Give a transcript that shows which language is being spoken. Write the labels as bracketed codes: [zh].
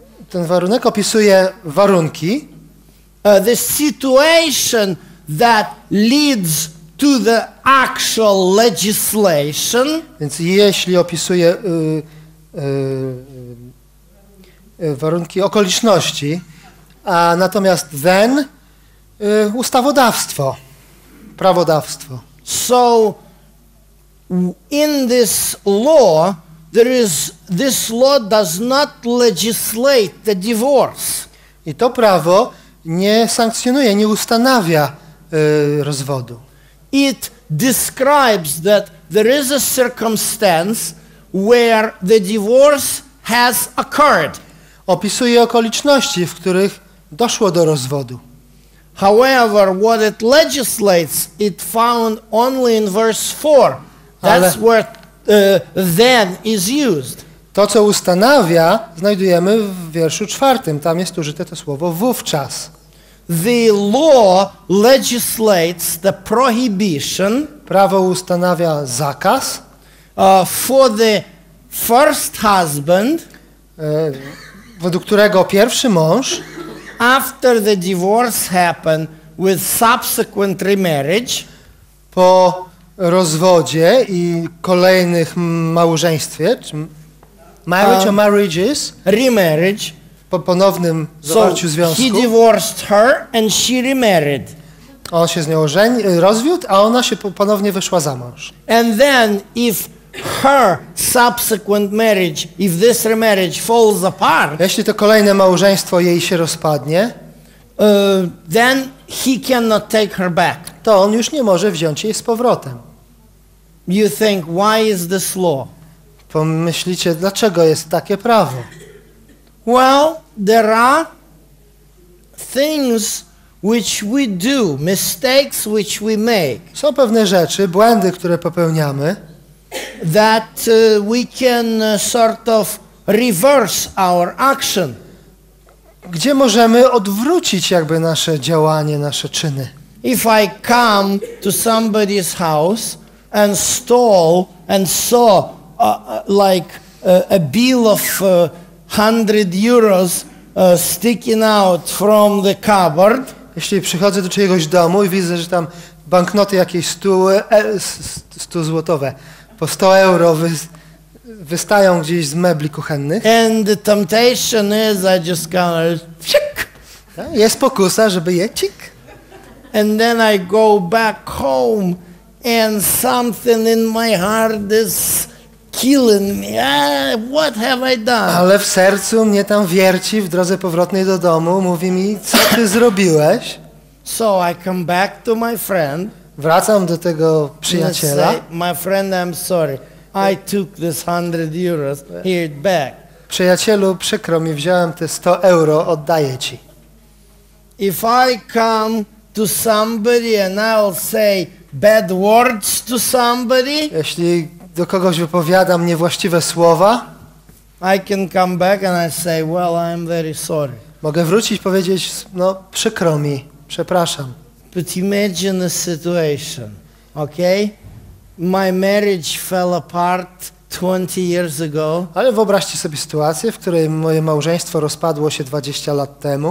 [pl] Ten warunek opisuje warunki. [en] The situation that leads to the actual legislation. [pl] Więc jeśli opisuje warunki, okoliczności, a natomiast then ustawodawstwo, prawodawstwo. [en] So in this law, there is, this law does not legislate the divorce. [pl] I to prawo nie sankcjonuje, nie ustanawia rozwodu. [en] It describes that there is a circumstance where the divorce has occurred. [pl] Opisuje okoliczności, w których doszło do rozwodu. [en] However, what it legislates, it found only in verse 4. That's where then is used. [pl] To, co ustanawia, znajdujemy w wierszu czwartym. Tam jest użyte to słowo wówczas. [en] The law legislates the prohibition. [pl] Prawo ustanawia zakaz. [en] For the first husband. [pl] Według którego pierwszy mąż. [en] After the divorce happened with subsequent remarriage. [pl] Po rozwodzie i kolejnych małżeństwie. [en] Marriage or marriages? Remarriage. [pl] Po ponownym zawarciu związku. [en] He divorced her and she remarried. [pl] On się z nią rozwiódł, a ona się ponownie wyszła za mąż. [en] And then if her subsequent marriage, if this remarriage falls apart. [pl] Jeśli to kolejne małżeństwo jej się rozpadnie, [en] then he cannot take her back. [pl] To on już nie może wziąć jej z powrotem. [en] You think, why is this law? [pl] Pomyślicie, dlaczego jest takie prawo? [en] Well, there are things which we do, mistakes which we make. [pl] Są pewne rzeczy, błędy, które popełniamy, [en] that we can sort of reverse our action. [pl] Gdzie możemy odwrócić jakby nasze działanie, nasze czyny? [en] If I come to somebody's house and stole and saw a bill of 100 euros sticking out from the cupboard. [pl] Jeśli przychodzę do czyjegoś domu i widzę, że tam banknoty jakieś 100 złotowe po 100 euro wystają gdzieś z mebli kuchennych. [en] And the temptation is I just kinda chick. [pl] Jest pokusa, żeby je cik. [en] And then I go back home and something in my heart is killing me. What have I done? [pl] Ale w sercu mnie tam wierci w drodze powrotnej do domu, mówi mi, co ty zrobiłeś? [en] So I come back to my friend. [pl] Wracam do tego przyjaciela. [en] Say, my friend, I'm sorry. I took this 100 euros. Here it back. [pl] Przyjacielu, przykro mi, wziąłem te 100 euro, oddaję ci. [en] If I come to somebody and I'll say bad words to somebody. [pl] Jeśli do kogoś wypowiadam niewłaściwe słowa, [en] I can come back and I say, well, I'm very sorry. [pl] Mogę wrócić i powiedzieć, no przykro mi, przepraszam. [en] But imagine the situation, okay? My marriage fell apart 20 years ago. [pl] Ale wyobraźcie sobie sytuację, w której moje małżeństwo rozpadło się 20 lat temu.